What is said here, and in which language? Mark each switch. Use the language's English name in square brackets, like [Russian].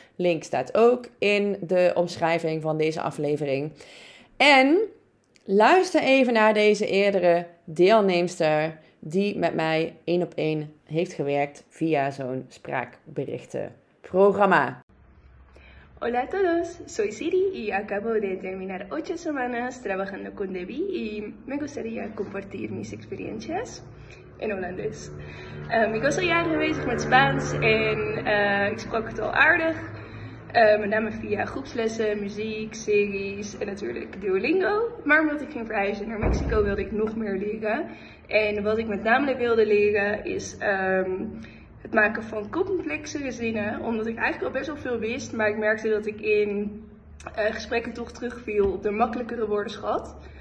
[Dutch] Link staat ook in de omschrijving van deze aflevering. En luister even naar deze eerdere deelnemster die met mij 1-op-1 heeft gewerkt via zo'n spraakberichtenprogramma. [Spanish] Hola a todos, soy Siri y acabo de terminar 8 semanas trabajando con Debbie y me gustaría compartir mis experiencias en holandés. [Dutch] Ik was al jaren bezig met Spaans en ik sprak het al aardig, met name via groepslessen, muziek, series en natuurlijk Duolingo. Maar omdat ik ging verhuizen naar Mexico wilde ik nog meer leren. En wat ik met name wilde leren is het maken van complexere zinnen, omdat ik eigenlijk al best wel veel wist, maar ik merkte dat ik in gesprekken toch terugviel op de makkelijkere woordenschat.